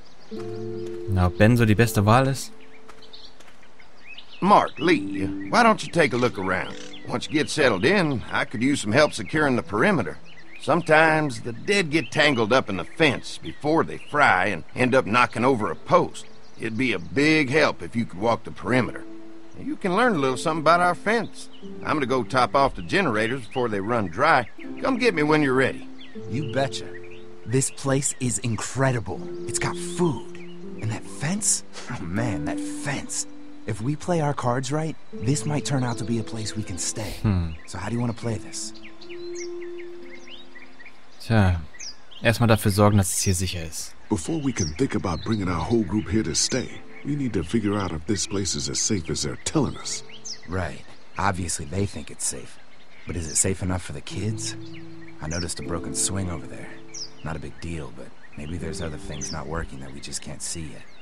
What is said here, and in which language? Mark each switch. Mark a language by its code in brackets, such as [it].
[de] Na, ob Ben so die beste Wahl ist? [en] Mark, Lee, why don't you take a look around? Once you get settled in, I could use some help securing the perimeter. Sometimes the dead get tangled up in the fence before they fry and end up knocking over a post. It'd be a big help if you could walk the perimeter. You can learn a little something about our fence. I'm gonna go top off the generators before they run dry. Come get me when you're ready. You betcha. This place is incredible. It's got food. And that fence? Oh man, that fence. If we play our cards right, this might turn out to be a place we can stay. So how do you want to play this? [de] Tja, erstmal dafür sorgen, dass es hier sicher ist. [en] Before we can think about bringing our whole group here to stay, we need to figure out if this place is as safe as they're telling us. Right. Obviously they think it's safe. But is it safe enough for the kids? I noticed a broken swing over there. Not a big deal, but maybe there's other things not working that we just can't see yet.